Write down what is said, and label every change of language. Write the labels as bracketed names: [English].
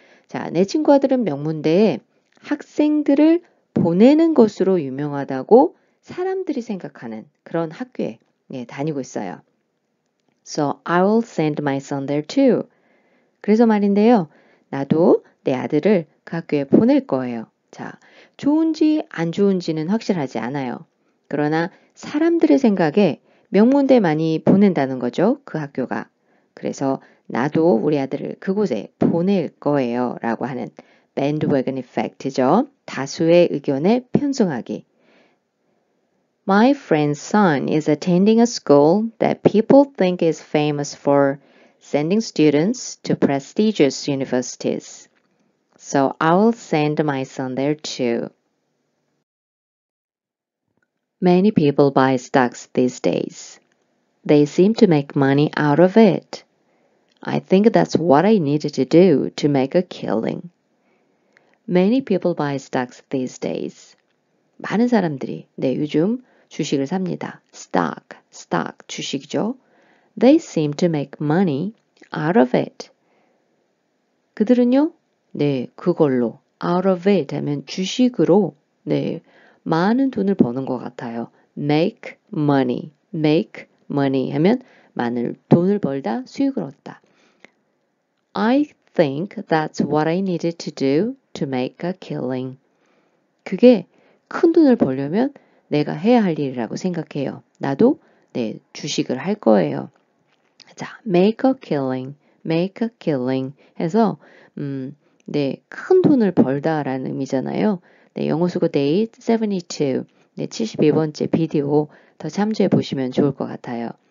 [Korean] 자, 내 친구 아들은 명문대에 학생들을 보내는 것으로 유명하다고 사람들이 생각하는 그런 학교에 네, 다니고 있어요. [English] So I will send my son there too. [Korean] 그래서 말인데요. 나도 내 아들을 그 학교에 보낼 거예요. 자, 좋은지 안 좋은지는 확실하지 않아요. 그러나 사람들의 생각에 명문대 많이 보낸다는 거죠. 그 학교가. 그래서 나도 우리 아들을 그곳에 보낼 거예요. 라고 하는 bandwagon effect죠. 다수의 의견에 편승하기. [English] My friend's son is attending a school that people think is famous for sending students to prestigious universities. So I will send my son there too. Many people buy stocks these days. They seem to make money out of it. I think that's what I needed to do to make a killing. Many people buy stocks these days. [Korean] 많은 사람들이 네, 요즘 주식을 삽니다. Stock 주식이죠. [English] They seem to make money out of it. [Korean] 그들은요? 네, 그걸로. Out of it 하면 주식으로 네, 많은 돈을 버는 것 같아요. Make money 하면 많은 돈을 벌다, 수익을 얻다. [English] I think that's what I needed to do to make a killing. [Korean] 그게 큰 돈을 벌려면 내가 해야 할 일이라고 생각해요. 나도 네, 주식을 할 거예요. 자, make a killing 해서 네, 큰 돈을 벌다라는 의미잖아요. 네, 영어수고 데이 72, 네, 72번째 비디오 더 참조해 보시면 좋을 것 같아요.